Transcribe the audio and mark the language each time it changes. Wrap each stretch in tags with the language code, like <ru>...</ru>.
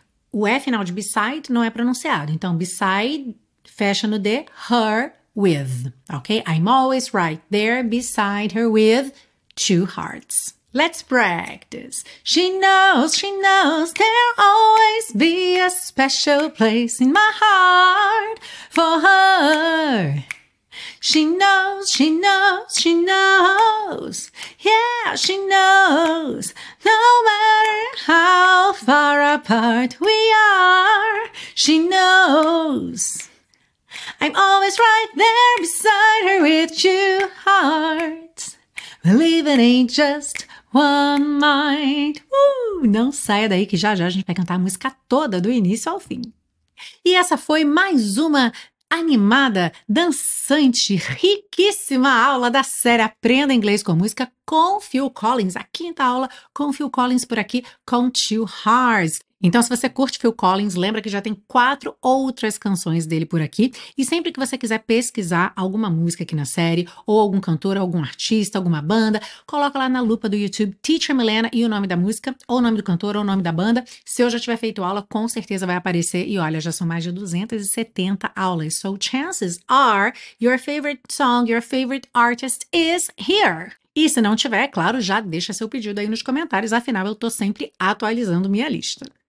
<pt>O F final de beside não é pronunciado. Então, beside fecha no D, her. With, okay?</pt> <en>I'm always right there beside her with two hearts. Let's practice. She knows there'll always be a special place in my heart for her. She knows, she knows. Yeah, she knows. No matter how far apart we are, she knows. I'm always right there beside her with two hearts. Believing in just one mind.</en> <pt>Não saia daí que já já a gente vai cantar a música toda do início ao fim. E essa foi mais uma animada, dançante, riquíssima aula da série Aprenda Inglês com Música com Phil Collins. A quinta aula com Phil Collins por aqui com Two Hearts. Então, se você curte Phil Collins, lembra que já tem quatro outras canções dele por aqui. E sempre que você quiser pesquisar alguma música aqui na série, ou algum cantor, algum artista, alguma banda, coloca lá na lupa do YouTube Teacher Milena e o nome da música, ou o nome do cantor, ou o nome da banda. Se eu já tiver feito aula, com certeza vai aparecer. E olha, já são mais de 270 aulas.</pt> <en>So chances are your favorite song, your favorite artist is here.</en> <pt>E se não tiver, é claro, já deixa seu pedido aí nos comentários, afinal eu tô sempre atualizando minha lista.</pt>